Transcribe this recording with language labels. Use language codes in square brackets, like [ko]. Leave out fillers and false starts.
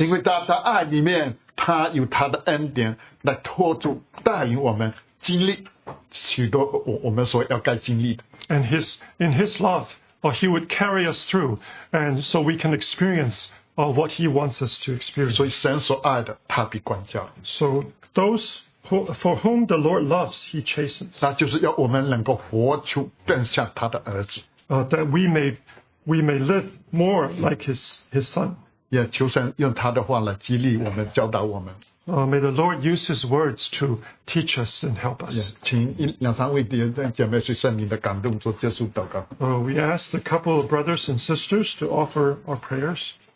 [zh] 因为在他爱里面，他有他的恩典来托住带领我们经历许多我们所要该经历的。 [en] And in his love, he would carry us through, and so we can experience. What he wants us to experience. [zh] 所以神所爱的，他必管教。 [en] So those for whom the Lord loves, he chastens. [zh] 那就是要我们能够活出更像他的儿子。 [en] That we may live more like his son. [zh] 也求神用他的话来激励我们，教导我们。 [en] May the Lord use His words to teach us and help us. [zh] 请一两三位弟兄姐妹随圣灵的感动做结束祷告。 [en] We ask the couple of brothers and sisters to offer our prayers.